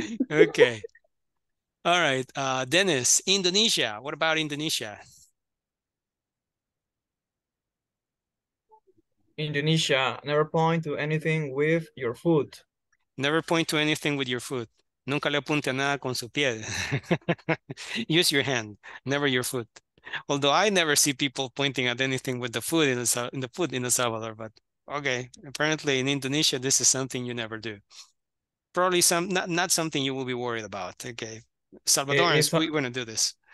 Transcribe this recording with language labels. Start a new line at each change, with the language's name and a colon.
English: Okay. All right, Dennis, Indonesia. What about Indonesia? Indonesia, never point to anything with your foot. Never point to anything with your foot.
Spanish: Nunca le apunte a nada con su pie.
English: Use your hand, never your foot. Although I never see people pointing at anything with the food in El Salvador, but okay, apparently in Indonesia, this is something you never do. Probably not something you will be worried about. Okay, Salvadorans, we want to do this.